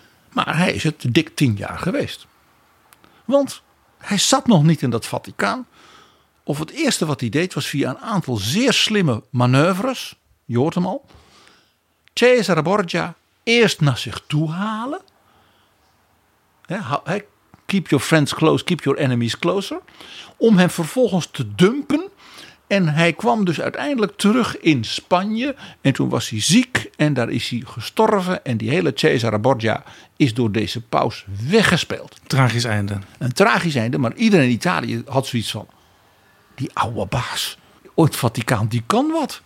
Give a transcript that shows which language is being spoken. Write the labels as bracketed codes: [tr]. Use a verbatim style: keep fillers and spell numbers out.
[nl] Maar hij is het dik tien jaar geweest. Want hij zat nog niet in dat Vaticaan. Of het eerste wat hij deed was via een aantal zeer slimme manoeuvres. Je hoort hem al. Cesare Borgia eerst naar zich toe halen. [en] He, keep your friends close, keep your enemies closer. [nl] Om hem vervolgens te dumpen. En hij kwam dus uiteindelijk terug in Spanje. En toen was hij ziek en daar is hij gestorven. En die hele Cesare Borgia is door deze paus weggespeeld. Tragisch einde. Een tragisch einde, maar iedereen in Italië had zoiets van, die oude baas, het Vaticaan, die kan wat.